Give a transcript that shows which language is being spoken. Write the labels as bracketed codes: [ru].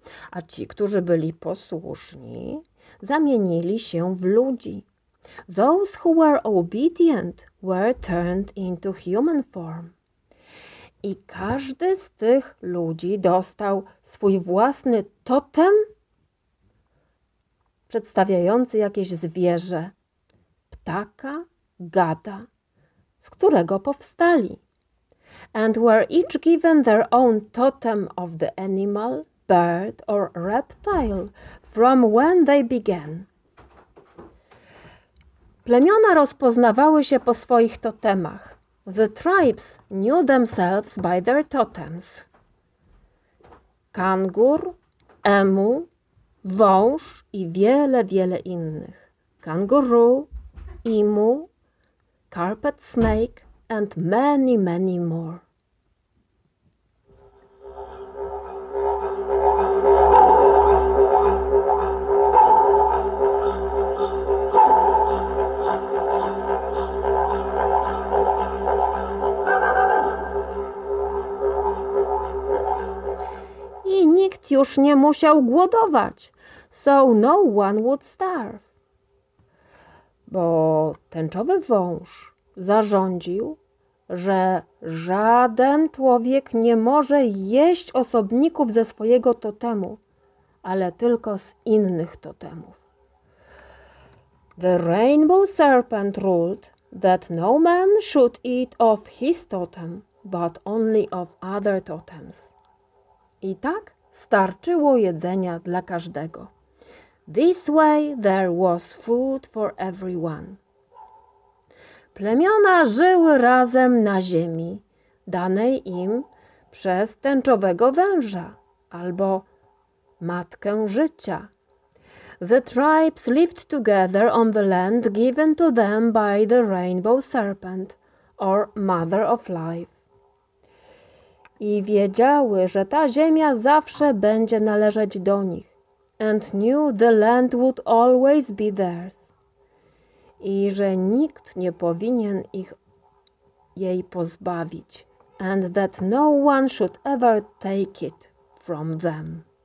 [pl] A ci, którzy byli posłuszni, zamienili się w ludzi. [en] Those who were obedient were turned into human form. [pl] I każdy z tych ludzi dostał swój własny totem, przedstawiający jakieś zwierzę, ptaka, gada, z którego powstali. [en] And were each given their own totem of the animal, bird or reptile from when they began. [pl] Plemiona rozpoznawały się po swoich totemach. [en] The tribes knew themselves by their totems. [pl] Kangur, emu, wąż i wiele, wiele innych. [en] Kanguru, emu, carpet snake and many, many more. [pl] I nikt już nie musiał głodować. [en] So no one would starve. [pl] Bo tęczowy wąż zarządził, że żaden człowiek nie może jeść osobników ze swojego totemu, ale tylko z innych totemów. [en] The rainbow serpent ruled that no man should eat of his totem, but only of other totems. [pl] I tak starczyło jedzenia dla każdego. [en] This way there was food for everyone. [pl] Plemiona żyły razem na ziemi, danej im przez tęczowego węża albo matkę życia. [en] The tribes lived together on the land given to them by the rainbow serpent or mother of life. [pl] I wiedziały, że ta ziemia zawsze będzie należeć do nich. [en] And knew the land would always be theirs. [pl] I że nikt nie powinien ich jej pozbawić. [en] And that no one should ever take it from them.